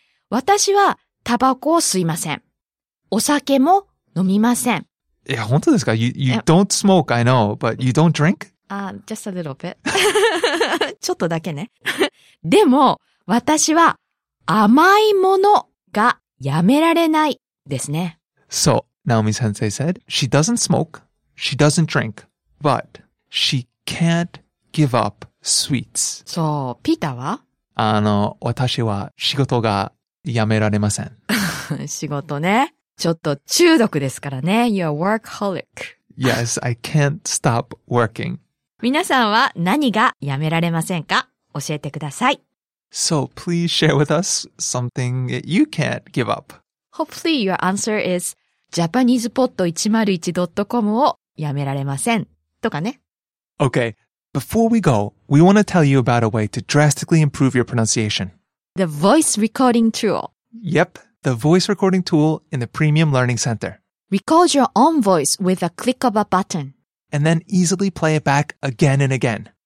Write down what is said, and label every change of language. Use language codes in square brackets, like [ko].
[ja] 私はタバコを吸いません。お酒も飲みません。いや、本当ですか? [en] You don't smoke, I know, but you don't drink? Just a little bit. [ja] ちょっとだけね。でも、私は甘いものがやめられないですね。 [en] So, Naomi-sensei said, she doesn't smoke, she doesn't drink, but she can't give up sweets. [ja] そう、ピーターは? 私は仕事がやめられません。仕事ね。ちょっと中毒ですからね。 [en] You're a workaholic. Yes, I can't stop working. [ja] 皆さんは何がやめられませんか? 教えてください。 [en] So please share with us something that you can't give up. Hopefully your answer is JapanesePod101.com [ja] をやめられませんとかね。 [en] Okay, before we go, we want to tell you about a way to drastically improve your pronunciation. The voice recording tool. Yep, the voice recording tool in the Premium Learning Center. Record your own voice with a click of a button. And then easily play it back again and again.